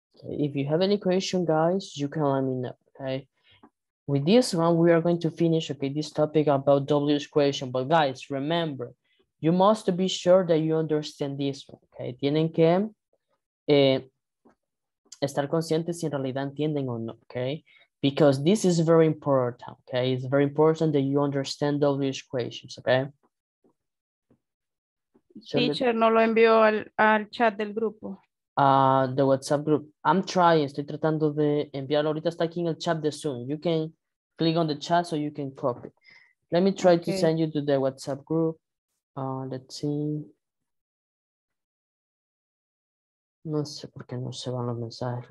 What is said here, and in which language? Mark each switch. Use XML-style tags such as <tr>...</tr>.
<en>If you have any question, guys, you can let me know, okay? With this one, we are going to finish, okay, this topic about W's question. But guys, remember, you must be sure that you understand this one, okay?</en> <es>Tienen que estar conscientes si en realidad entienden o no, okay?</es> <en>Because this is very important, okay? It's very important that you understand W's questions, okay?</en> <es>Teacher, no lo envió al chat del grupo.</es> <en>The WhatsApp group. I'm trying.</en> <es>Estoy tratando de enviarlo. Ahorita está aquí en el chat de Zoom.</es> <en>You can click on the chat so you can copy. Let me try to send you to the WhatsApp group. Let's see.</en> <es>No sé por qué no se van los mensajes.</es>